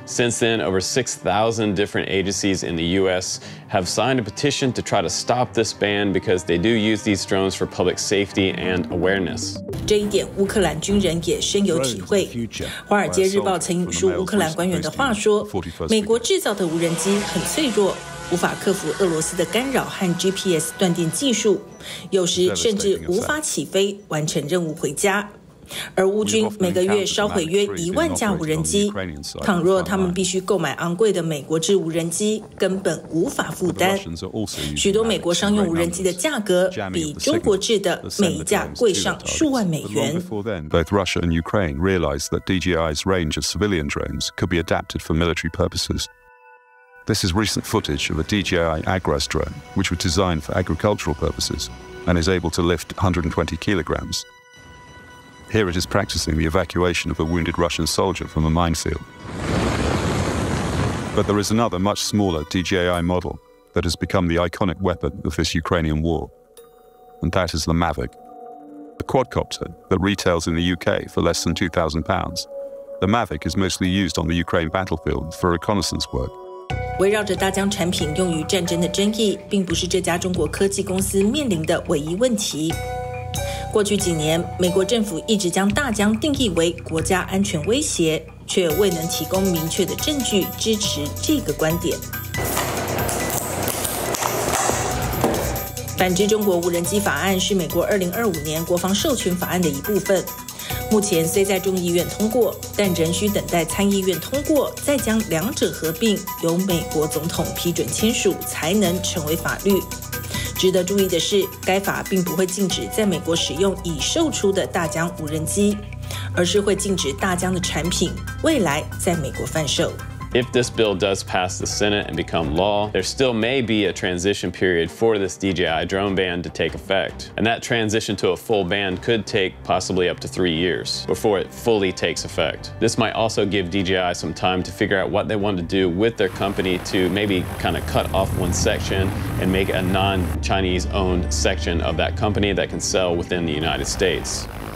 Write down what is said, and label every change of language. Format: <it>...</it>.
<en>Since then, over 6,000 different agencies in the U.S. have signed a petition to try to stop this ban because they do use these drones for public safety and awareness.</en> <zh>这一点乌克兰军人也深有体会。华尔街日报曾引述乌克兰官员的话说，美国制造的无人机很脆弱，无法克服俄罗斯的干扰和 GPS 断电技术，有时甚至无法起飞完成任务回家。而乌军每个月烧毁约10,000架无人机，倘若他们必须购买昂贵的美国制无人机，根本无法负担。许多美国商用无人机的价格比中国制的每一架贵上数万美元。</zh> <en>Both Russia and Ukraine realized that DJI's range of civilian drones could be adapted for military purposes. This is recent footage of a DJI Agras drone, which was designed for agricultural purposes and is able to lift 120 kilograms. Here it is practicing the evacuation of a wounded Russian soldier from a minefield. But there is another much smaller DJI model that has become the iconic weapon of this Ukrainian war, and that is the Mavic, a quadcopter that retails in the UK for less than £2,000. The Mavic is mostly used on the Ukraine battlefield for reconnaissance work.</en> <zh>围绕着大疆产品用于战争的争议，并不是这家中国科技公司面临的唯一问题。过去几年，美国政府一直将大疆定义为国家安全威胁，却未能提供明确的证据支持这个观点。反制中国无人机法案是美国2025年国防授权法案的一部分，目前虽在众议院通过，但仍需等待参议院通过，再将两者合并，由美国总统批准签署才能成为法律。值得注意的是，该法并不会禁止在美国使用已售出的大疆无人机，而是会禁止大疆的产品未来在美国贩售。</zh> <en>If this bill does pass the Senate and become law, there still may be a transition period for this DJI drone ban to take effect. And that transition to a full ban could take possibly up to 3 years before it fully takes effect. This might also give DJI some time to figure out what they want to do with their company to maybe kind of cut off one section and make a non-Chinese owned section of that company that can sell within the United States.</en>